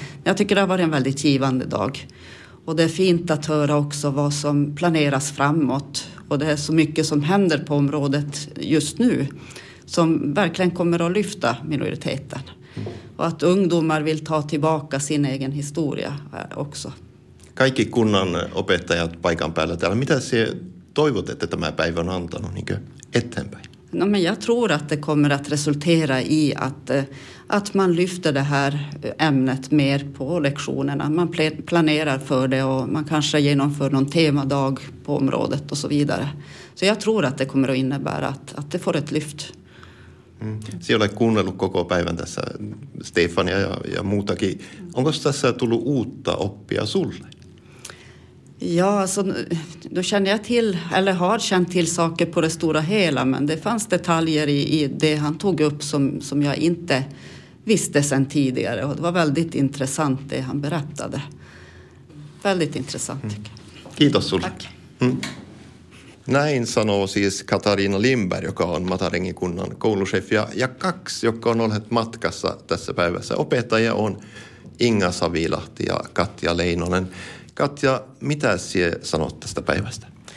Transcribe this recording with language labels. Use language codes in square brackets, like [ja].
[sv] Jag tycker det har varit en väldigt givande dag. Och det är fint att höra också vad som planeras framåt. Och det är så mycket som händer på området just nu som verkligen kommer att lyfta minoriteten. Och att ungdomar vill ta tillbaka sin egen historia också. [fi] Kaikki kunnan opettajat paikan päällä täällä. Mitä sinä toivot, että tämä päivä on antanut niin kuin eteenpäin? [sv] No, men jag tror att det kommer att resultera i att man lyfter det här ämnet mer på lektionerna. Man planerar för det och man kanske genomför någon temadag på området och så vidare. Så jag tror att det kommer att innebära att det får ett lyft. [fi] Sinä olet kuunnellut koko päivän tässä Stefania ja muutakin. Onko tässä tullut uutta oppia sulle? [sv] Ja, så då känner jag till, eller har känt till saker på det stora hela. Men det fanns detaljer i det han tog upp som jag inte visste sedan tidigare. Och det var väldigt intressant det han berättade. Väldigt intressant tycker jag. [fi] Kiitos sulle. [sv] Tack. [fi] Näin sanoo siis Katariina Lindberg, joka on Matarengin kunnan kouluchef, ja kaksi, jotka on olleet matkassa tässä päivässä. Opettaja on Inga Savilahti ja Katja Leinonen. Katja, mitä sinä sanot tästä päivästä?